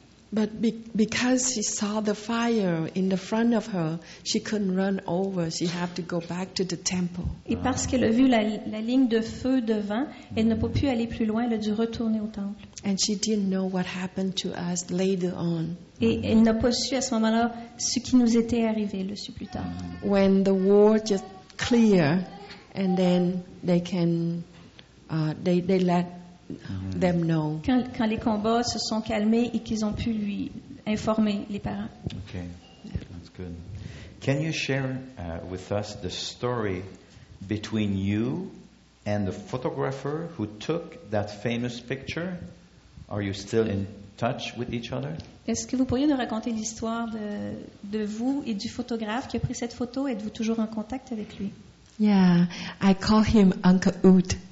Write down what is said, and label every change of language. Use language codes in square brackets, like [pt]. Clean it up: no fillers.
[en] But because she saw the fire in the front of her, she couldn't run over. She had to go back to the temple. [fr] Et parce qu'elle a vu la ligne de feu devant, elle n'a pas pu aller plus loin. Elle a dû retourner au temple. [en] And she didn't know what happened to us later on. [fr] Et elle n'a pas su à ce moment-là ce qui nous était arrivé. Elle le sut plus tard. [en] When the war just clear, and then they can, they let. Them know. [fr] Quand les combats se sont calmés et qu'ils ont pu lui informer les parents. [en] Okay, that's good. Can you share with us the story between you and the photographer who took that famous picture? Are you still in touch with each other? [fr] Est-ce que vous pourriez nous raconter l'histoire de vous et du photographe qui a pris cette photo? Êtes-vous toujours en contact avec lui? [en] Yeah, I call him Uncle Oud.